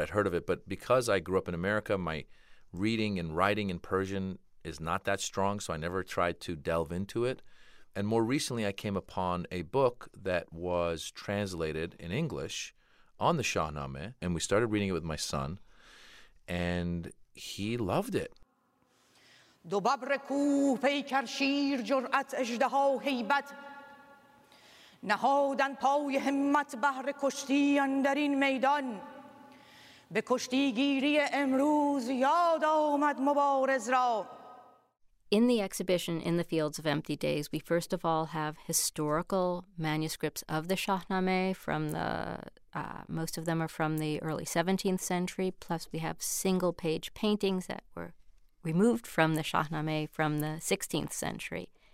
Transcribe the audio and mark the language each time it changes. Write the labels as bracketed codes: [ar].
[en] I'd heard of it. But because I grew up in America, my reading and writing in Persian is not that strong, so I never tried to delve into it. And more recently, I came upon a book that was translated in English on the Shahnameh, and we started reading it with my son, and he loved it. [fa] دو ببر کوه پیکر شیر جرأت اژدها و هیبت نهادن پای همت بهر کشتی اندر این میدان به کشتی گیری امروز یاد آمد مبارز را. [en] In the exhibition, In the Fields of Empty Days, we first of all have historical manuscripts of the Shahnameh from the, most of them are from the early 17th century, plus we have single-page paintings that were removed from the Shahnameh from the 16th century.